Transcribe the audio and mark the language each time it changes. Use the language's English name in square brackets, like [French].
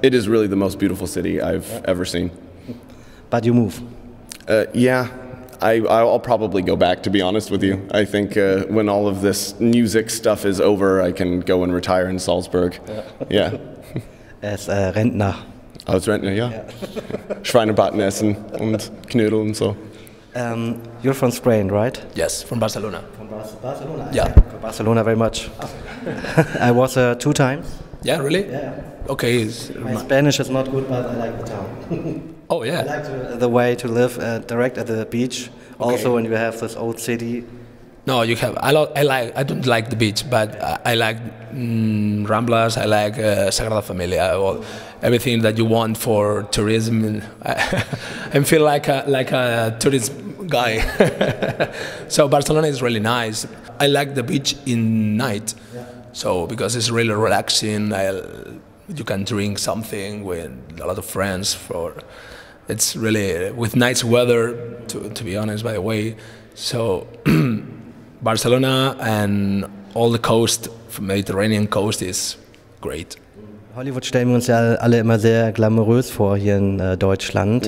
[English] It is really the most beautiful city I've ever seen. But you move? Yeah. I'll probably go back, to be honest with you. I think when all of this music stuff is over, I can go and retire in Salzburg. Yeah. As a Rentner. [German] Als Rentner, yeah. Schweinebraten essen und Knödel und so. [English] You're from Spain, right? Yes, from Barcelona. From Barcelona? Yeah. From Barcelona very much. I was 2 times. Yeah, really? Yeah. Okay. My Spanish is not good, but I like the town. Oh, yeah. I like the way to live direct at the beach, okay. Also when you have this old city. No, you have, I don't like the beach, but I like Ramblas, I like Sagrada Familia, well, everything that you want for tourism. I feel like a tourist guy. So Barcelona is really nice. I like the beach in night, yeah. So because it's really relaxing. You can drink something with a lot of friends for, it's really, with nice weather, to be honest, by the way. So, Barcelona and all the coast, Mediterranean coast, is great. [German] Hollywood stellen wir uns ja alle immer sehr glamourös vor hier in Deutschland.